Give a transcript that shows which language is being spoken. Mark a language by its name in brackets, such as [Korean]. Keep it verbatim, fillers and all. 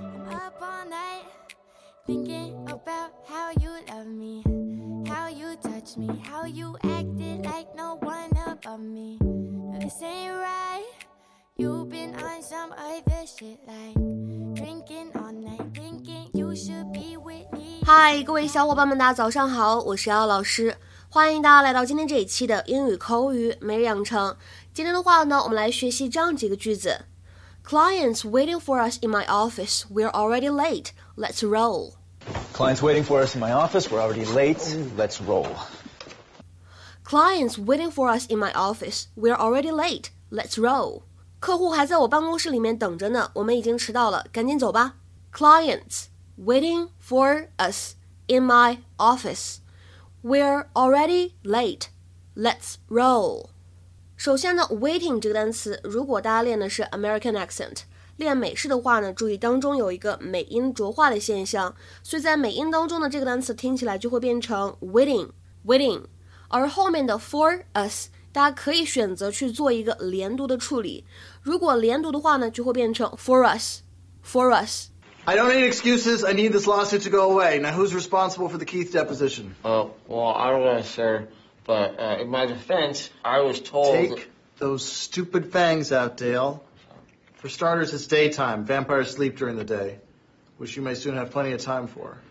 [English] Up all night, thinking about how you love me, how you touch me, how you acted like no one above me. This ain't right. You've been on some other shit like drinking all night, thinking you should be with me. [Chinese] 嗨，各位小伙伴们，大家早上好，我是姚老师，欢迎大家来到今天这一期的英语口语每日养成。今天的话呢，我们来学习这样几个句子。 [English] Clients waiting for us in my office. We're already late. Let's roll. Clients waiting for us in my office. We're already late. Let's roll. Clients waiting for us in my office. We're already late. Let's roll. [Chinese] 客户还在我办公室里面等着呢，我们已经迟到了，赶紧走吧。 [English] Clients waiting for us in my office. We're already late. Let's roll. [Chinese] 首先呢 waiting 这个单词，如果大家练的是 [English] American accent， [Chinese] 练美式的话呢，注意当中有一个美音浊化的现象，所以在美音当中的这个单词听起来就会变成 [English] waiting waiting， [Chinese] 而后面的 [English] for us [Chinese] 大家可以选择去做一个连读的处理，如果连读的话呢，就会变成 [English] for us for us。 I don't need excuses, I need this lawsuit to go away. Now who's responsible for the Keith deposition? Oh, well, I don't know, sir. But uh, in my defense, I was told... Take those stupid fangs out, Dale. For starters, it's daytime. Vampires sleep during the day, which you may soon have plenty of time for.